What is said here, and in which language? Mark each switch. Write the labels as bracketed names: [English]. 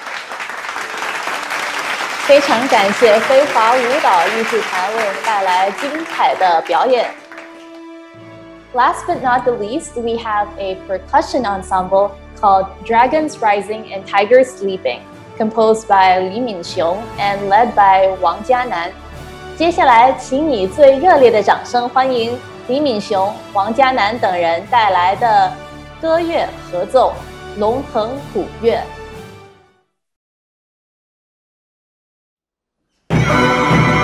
[Chinese] 非常感谢非华舞蹈艺术团为我们带来精彩的表演。 [English] Last but not the least, we have a percussion ensemble called Dragons Rising and Tigers Sleeping, composed by 李敏雄 and led by 王嘉南。 [Chinese] 接下来，请以最热烈的掌声欢迎李敏雄、王嘉南等人带来的歌乐合奏《龙腾虎跃》。